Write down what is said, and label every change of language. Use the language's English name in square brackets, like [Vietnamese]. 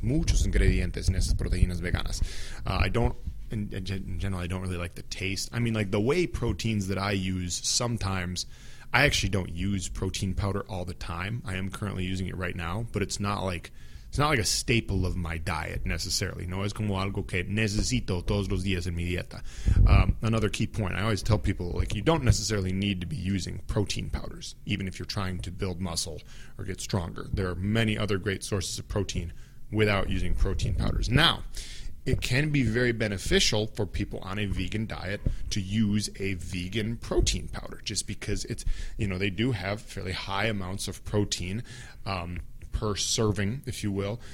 [Spanish] Muchos ingredientes en esas proteínas veganas. [English] I don't really like the taste. I mean, like the whey proteins that I use sometimes, I actually don't use protein powder all the time. I am currently using it right now, but it's not like... It's not like a staple of my diet necessarily. [Spanish] No es como algo que necesito todos los días en mi dieta. [English] Another key point, I always tell people, like, you don't necessarily need to be using protein powders, even if you're trying to build muscle or get stronger. There are many other great sources of protein without using protein powders. Now, it can be very beneficial for people on a vegan diet to use a vegan protein powder just because it's, you know, they do have fairly high amounts of protein, per serving, if you will.